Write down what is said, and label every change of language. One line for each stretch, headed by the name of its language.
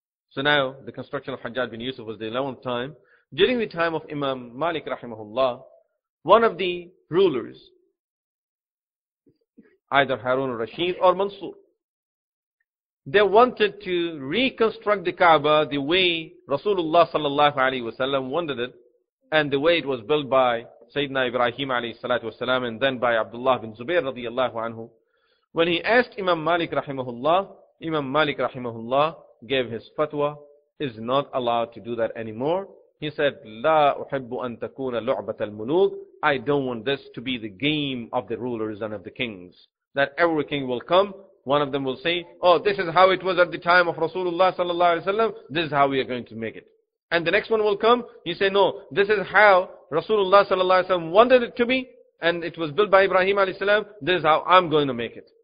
English: So now, the construction of Hajjaj bin Yusuf was the 11th time. During the time of Imam Malik rahimahullah, one of the rulers, either Harun al-Rashid or Mansur, they wanted to reconstruct the Kaaba the way Rasulullah sallallahu alayhi wasallam wanted it, and the way it was built by Sayyidina Ibrahim alayhi salatu wasalam, and then by Abdullah bin Zubair radiyallahu anhu. When he asked Imam Malik rahimahullah, Imam Malik rahimahullah gave his fatwa, is not allowed to do that anymore.
Arabic: He said, لا أحب أن تكون لعبة الملوك.
English: I don't want this to be the game of the rulers and of the kings. That every king will come, one of them will say, oh, this is how it was at the time of Rasulullah sallallahu alayhi wa sallam, this is how we are going to make it. And the next one will come, he say, no, this is how Rasulullah sallallahu alayhi wa sallam wanted it to be, and it was built by Ibrahim alayhi salam, this is how I'm going to make it.